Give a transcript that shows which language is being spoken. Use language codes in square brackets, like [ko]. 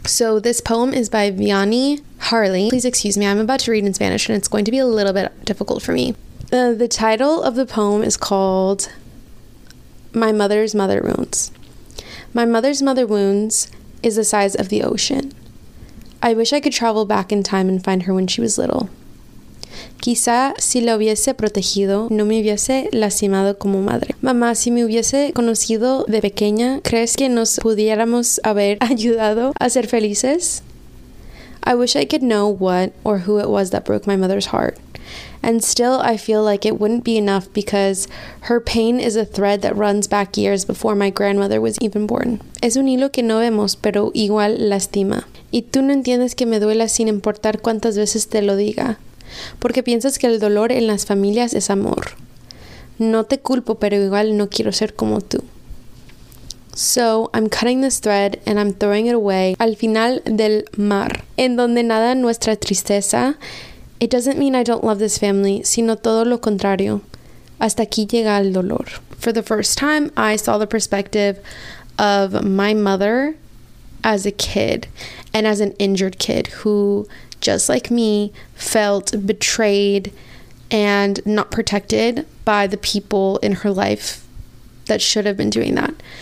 [en] So this poem is by Vianney Harley. Please excuse me, I'm about to read in Spanish and it's going to be a little bit difficult for me. The title of the poem is called My Mother's Mother Wounds. My mother's mother wounds is the size of the ocean. I wish I could travel back in time and find her when she was little. [es] Quizá si la hubiese protegido, no me hubiese lastimado como madre. Mamá, si me hubiese conocido de pequeña, ¿crees que nos pudiéramos haber ayudado a ser felices? [en] I wish I could know what or who it was that broke my mother's heart. And still, I feel like it wouldn't be enough because her pain is a thread that runs back years before my grandmother was even born. [es] Es un hilo que no vemos, pero igual lastima. Y tú no entiendes que me duela sin importar cuántas veces te lo diga. Porque piensas que el dolor en las familias es amor. No te culpo, pero igual no quiero ser como tú. [en] So, I'm cutting this thread and I'm throwing it away [es] al final del mar. En donde nada nuestra tristeza. [en] It doesn't mean I don't love this family, [es] sino todo lo contrario. Hasta aquí llega el dolor. [en] For the first time, I saw the perspective of my mother as a kid and as an injured kid who, just like me, felt betrayed and not protected by the people in her life that should have been doing that.